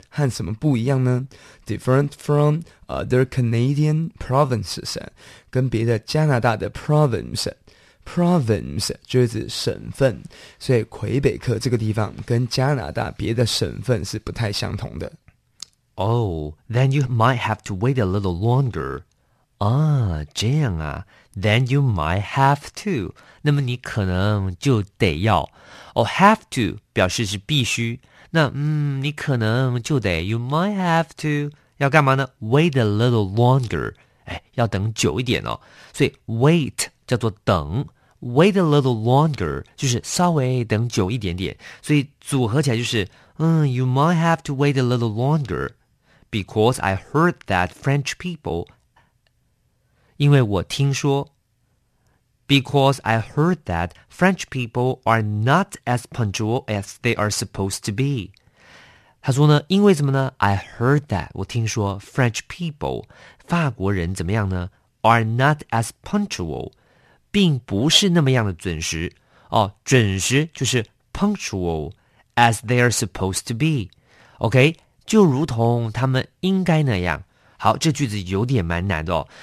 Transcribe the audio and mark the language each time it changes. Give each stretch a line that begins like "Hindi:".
Chinese: 和什么不一样呢？
English: Different from other Canadian provinces.
Chinese: 跟别的加拿大的 province 就是省份所以魁北克这个地方跟加拿大别的省份是不太相同的
English: Oh, then you might have to wait a little longer
Chinese: 啊，这样啊
English: Then you might have to
Chinese: 那么你可能就得要
English: have to
Chinese: 表示是必须那你可能就得
English: You might have to
Chinese: 要干嘛呢 ？
English: Wait a little longer，
Chinese: 哎，要等久一点哦。所以 wait 叫做等 ，
English: wait a little longer
Chinese: 就是稍微等久一点点。
English: 所以组合起来就是，you might have to wait a little longer because I heard that French people，
Chinese: 因为我听说。
English: Because I heard that French people are not as punctual as they are supposed to be.
Chinese: 他说呢，因为什么呢 ？
English: I heard that
Chinese: 我听说
English: French people
Chinese: 法国人怎么样呢 ？
English: Are not as punctual，
Chinese: 并不是那么样的准时哦。准时就是
English: punctual as they are supposed to be.
Chinese: OK， 就如同他们应该那样。好，这句子有点蛮难的哦。